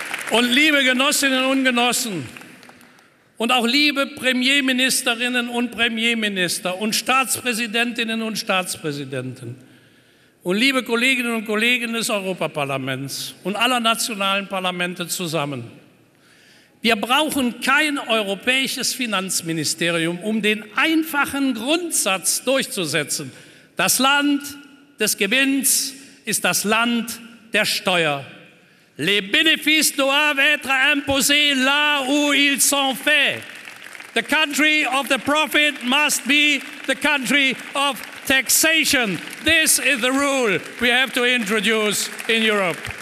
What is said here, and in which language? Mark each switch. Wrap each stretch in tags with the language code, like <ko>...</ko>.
<de>Und liebe Genossinnen und Genossen, und auch liebe Premierministerinnen und Premierminister und Staatspräsidentinnen und Staatspräsidenten und liebe Kolleginnen und Kollegen des Europaparlaments und aller nationalen Parlamente zusammen. Wir brauchen kein europäisches Finanzministerium, um den einfachen Grundsatz durchzusetzen. Das Land des Gewinns ist das Land der Steuer.</de> <fr>Les bénéfices doivent être imposés là où ils sont faits.</fr> <en>The country of the profit must be the country of taxation. This is the rule we have to introduce in Europe.</en>